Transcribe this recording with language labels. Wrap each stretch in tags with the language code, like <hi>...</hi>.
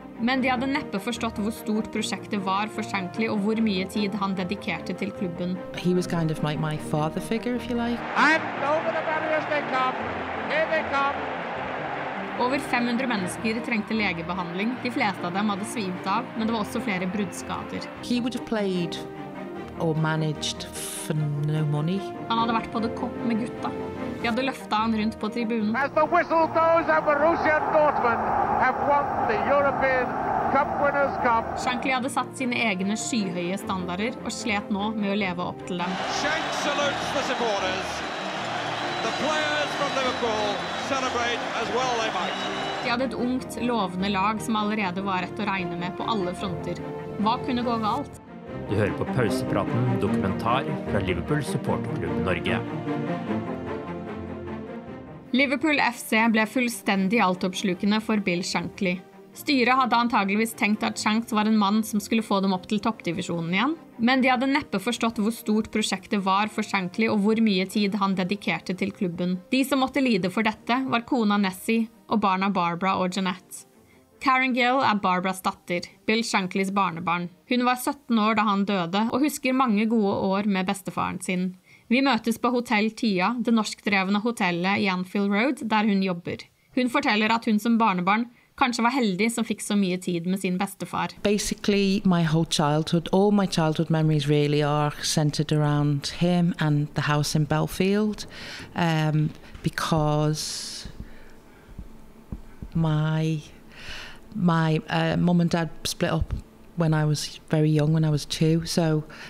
<no>Men de hadde neppe forstått hvor stort prosjektet var for Shankly og hvor mye tid han dedikerte til klubben.</no> <en>He was kind of like my father figure, if you like. And over the barriers they come. Here they come.</en> <no>Over 500 mennesker trengte legebehandling. De fleste av dem hadde svimt av, men det var også flere bruddskader.</no> <en>He would have played or managed for no money.</en> <no>Han hadde vært på The Cop med gutta. De hadde løftet han rundt på tribunen.</no> <en>As the whistle goes and Borussia Dortmund have won the European Cup Winners' Cup.</en> <no>Shankly hadde satt sine egne skyhøye standarder og slet nå med å leve opp til dem.</no> <en>Shank salutes the supporters. The players from Liverpool celebrate as well they might.</en> <no>De hadde et ungt, lovende lag som allerede var rett å regne med på alle fronter. Hva kunne gå galt? Du hører på Pausepraten, dokumentar fra Liverpool Supporterklubb Norge. Liverpool FC ble fullstendig altoppslukende for Bill Shankly. Styret hadde antageligvis tenkt at Shanks var en mann som skulle få dem opp til toppdivisjonen igjen, men de hadde neppe forstått hvor stort prosjektet var for Shankly og hvor mye tid han dedikerte til klubben. De som måtte lide for dette var kona Nessie og barna Barbara og Jeanette. Karen Gill er Barbaras datter, Bill Shanklys barnebarn. Hun var 17 år da han døde og husker mange gode år med bestefaren sin. Vi møtes på Hotell Tia, det norskdrevne hotellet i Anfield Road, der hun jobber. Hun forteller at hun som barnebarn kanskje var heldig som fikk så mye tid med sin bestefar.</no> <en>Basically, my whole childhood, all my childhood memories really are centered around him and the house in Belfield. Because my mom and dad split up when I was very young, when I was 2, so</en>